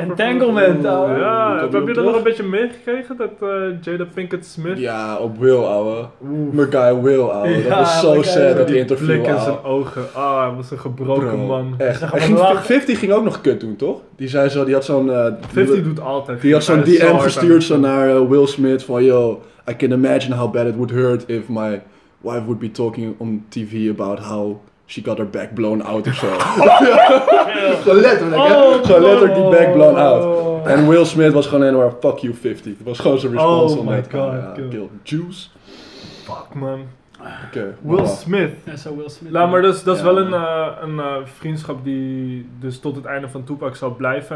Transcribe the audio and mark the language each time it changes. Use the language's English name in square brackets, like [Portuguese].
[Dutch] Entanglement, ouwe. Ja, heb je dat nog een beetje meegekregen? Dat Jada Pinkett Smith. Ja, op Will, ouwe. Mijn guy Will, ouwe. Ja, dat was zo sad, dat die interview. Blik in zijn ogen. Ah, hij was een gebroken bro, man. Echt. Hij ging 50 ging ook nog kut doen, toch? Die zei zo, die had zo'n. 50 doet altijd. Die had zo'n DM gestuurd zo naar Will Smith van: [English] yo, I can imagine how bad it would hurt if my wife would be talking on TV about how she got her back blown out of zo. [Dutch] Zo letterlijk, hè? Zo letterlijk die back blown out. En Will Smith was gewoon helemaal [English] fuck you 50. [Dutch] Het was gewoon zijn response. [English] Oh my god. Kill juice. Fuck man. Okay, Will Smith. [Dutch] Ja, zo Will Smith. Nou, maar dat is wel een vriendschap die dus tot het einde van Tupac zal blijven.